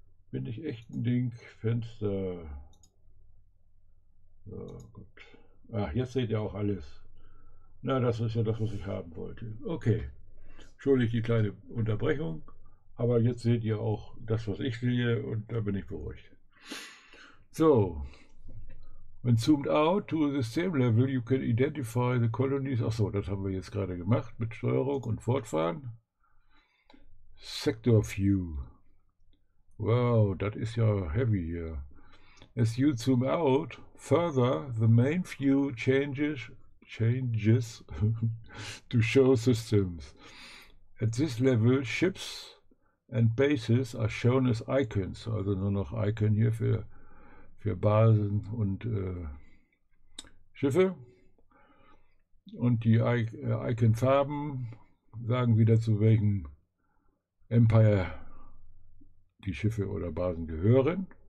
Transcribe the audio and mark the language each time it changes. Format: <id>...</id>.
<de>Finde ich echt ein Ding. Fenster. So, gut. Ach, jetzt seht ihr auch alles. Na, das ist ja das, was ich haben wollte. Okay. Entschuldigt die kleine Unterbrechung. Aber jetzt seht ihr auch das, was ich sehe. Und da bin ich beruhigt. So.</de> <en>When zoomed out to a system level, you can identify the colonies.</en> <de>Ach so, das haben wir jetzt gerade gemacht mit Steuerung und Fortfahren. Sector View. Wow, das ist ja heavy hier.</de> <en>As you zoom out further, the main view changes to show systems. At this level, ships and bases are shown as icons.</en> <de>Also nur noch Icon hier für Basen und Schiffe. Und die Icon-Farben sagen wieder, zu welchem Empire die Schiffe oder Basen gehören.</de>